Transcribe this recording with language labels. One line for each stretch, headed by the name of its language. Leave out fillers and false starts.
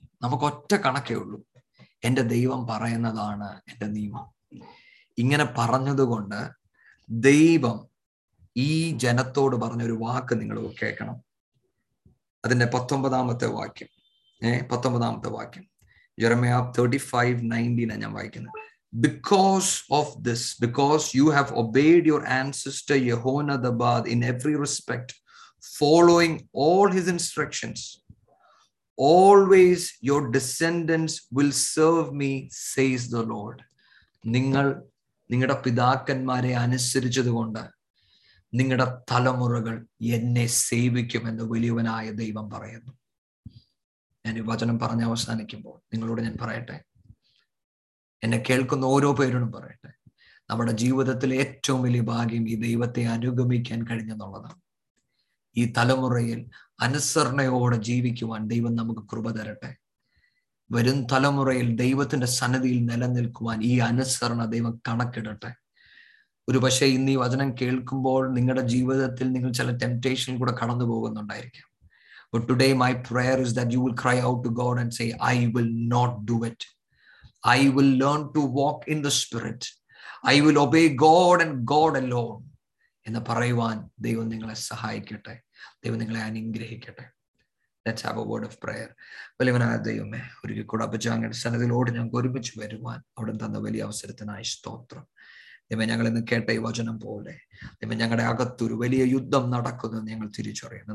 Malayalam: നമുക്ക് ഒറ്റ കണക്കേ ഉള്ളൂ, എന്റെ ദൈവം പറയുന്നതാണ് എന്റെ നിയമം. ഇങ്ങനെ പറഞ്ഞതുകൊണ്ട് ദൈവം ഈ ജനത്തോട് പറഞ്ഞൊരു വാക്ക് നിങ്ങൾ കേൾക്കണം. അതിന്റെ 19-ാമത്തെ വാക്യം, 19-ാമത്തെ വാക്യം, Jeremiah 35:19 ഞാൻ വായിക്കുന്നത്.
English: Because of this, because you have obeyed your ancestor Jehonadab in every respect, following all his instructions, always your descendants will serve me, says the Lord.
Malayalam: നിങ്ങൾ നിങ്ങളുടെ പിതാക്കന്മാരെ അനുസരിച്ചതുകൊണ്ട് നിങ്ങളുടെ തലമുറകൾ എന്നെ സേവിക്കുമെന്ന് വലിയവനായ ദൈവം പറയുന്നു. ഞാൻ ഈ വചനം പറഞ്ഞ് അവസാനിക്കുമ്പോൾ നിങ്ങളോട് ഞാൻ പറയട്ടെ, എന്നെ കേൾക്കുന്ന ഓരോ പേരോടും പറയട്ടെ, നമ്മുടെ ജീവിതത്തിലെ ഏറ്റവും വലിയ ഭാഗ്യം ഈ ദൈവത്തെ അനുഗമിക്കാൻ കഴിഞ്ഞെന്നുള്ളതാണ്. ഈ തലമുറയിൽ അനുസരണയോടെ ജീവിക്കുവാൻ ദൈവം നമുക്ക് കൃപ തരട്ടെ. വരും തലമുറയിൽ ദൈവത്തിന്റെ സന്നിധിയിൽ നിലനിൽക്കുവാൻ ഈ അനുസരണ ദൈവം കണക്കിടട്ടെ. ഒരു പക്ഷേ ഇന്ന് ഈ വചനം കേൾക്കുമ്പോൾ നിങ്ങളുടെ ജീവിതത്തിൽ നിങ്ങൾ ചില ടെംപ്റ്റേഷനിൽ കൂടെ കടന്നു പോകുന്നുണ്ടായിരിക്കാം.
English: But today my prayer is that you will cry out to God and say, I will not do it. I will learn to walk in the Spirit. I will obey God and God alone.
Malayalam: എന്ന് പറയുവാൻ ദൈവം നിങ്ങളെ സഹായിക്കട്ടെ, ദൈവം നിങ്ങളെ അനുഗ്രഹിക്കട്ടെ.
English: Let's have a word of prayer.
Malayalam: വലിയവനായ ദൈവമേ, ഒരിക്കൽ കൂടെ അപജാങ്ങയുടെ സന്നിധിയിലോട് ഞങ്ങൾ ഒരുമിച്ച് വരുവാൻ അവിടെ തന്ന വലിയ അവസരത്തിനായി സ്തോത്രം. ദൈവം ഞങ്ങൾ ഇന്ന് കേട്ട ഈ വചനം പോലെ, ദൈവം ഞങ്ങളുടെ അകത്തൊരു വലിയ യുദ്ധം നടക്കുന്നു ഞങ്ങൾ തിരിച്ചറിയുന്നു.